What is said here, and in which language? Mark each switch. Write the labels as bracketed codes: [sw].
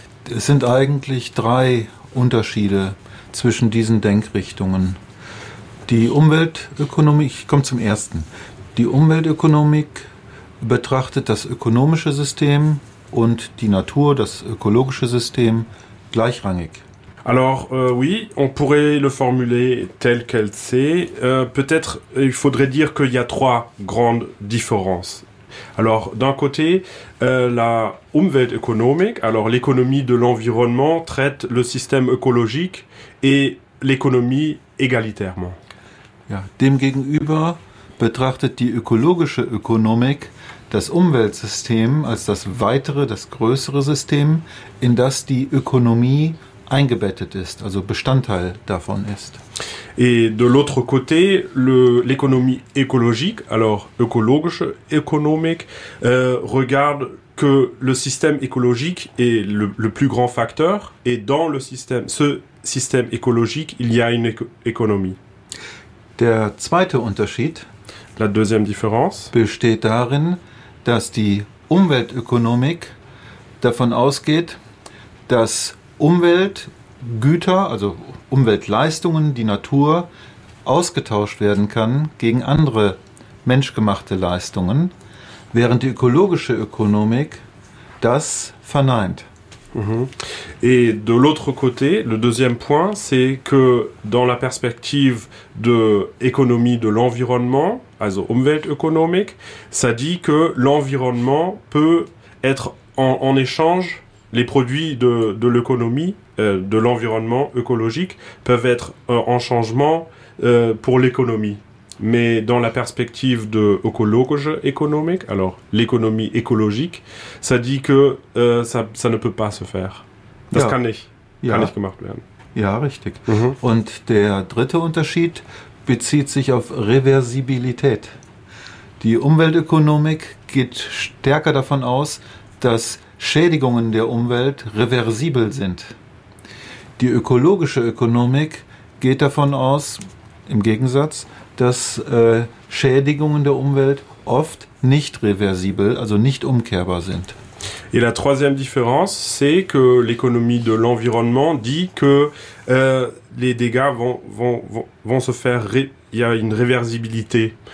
[de] Es sind eigentlich drei Unterschiede zwischen diesen Denkrichtungen. Die Umweltökonomik, ich komme zum ersten. Die Umweltökonomik betrachtet das ökonomische System und die Natur, das ökologische System, gleichrangig. [fr] Alors, oui, on pourrait le formuler tel quel c'est. Peut-être, il faudrait dire qu'il y a trois grandes différences. Alors, d'un côté, la Umweltökonomik, alors l'économie de l'environnement, traite le système écologique et l'économie égalitairement. [de] Ja, demgegenüber betrachtet die ökologische Ökonomik das Umweltsystem als das weitere, das größere System, in das die Ökonomie eingebettet ist, also Bestandteil davon ist. [fr] Et de l'autre côté, l'économie écologique, alors ökologische Ökonomik, regarde que le système écologique est le plus grand facteur et dans le système, ce système écologique, il y a une économie. [de] Der zweite Unterschied, [fr] la deuxième différence, [de] besteht darin, dass die Umweltökonomik davon ausgeht, dass Umweltgüter, also Umweltleistungen, die Natur ausgetauscht werden kann gegen andere menschgemachte Leistungen, während die ökologische Ökonomik das verneint. [fr] Et de l'autre côté, le deuxième point, c'est que dans la perspective de économie de l'environnement, also Umweltökonomik, ça dit que l'environnement peut être en échange. Les produits de l'économie, de l'environnement écologique, peuvent être en changement pour l'économie. Mais dans la perspective de ökologische Ökonomik, alors l'économie écologique, ça dit que ça ne peut pas se faire. [de] Das kann nicht gemacht werden. Ja, richtig. Und der dritte Unterschied bezieht sich auf Reversibilität. Die Umweltökonomik geht stärker davon aus, dass Schädigungen der Umwelt reversibel sind. Die ökologische Ökonomik geht davon aus, im Gegensatz, dass Schädigungen der Umwelt oft nicht reversibel, also nicht umkehrbar sind. [fr] Et la troisième différence, c'est que l'économie de l'environnement dit que les dégâts vont se faire, il y a une réversibilité.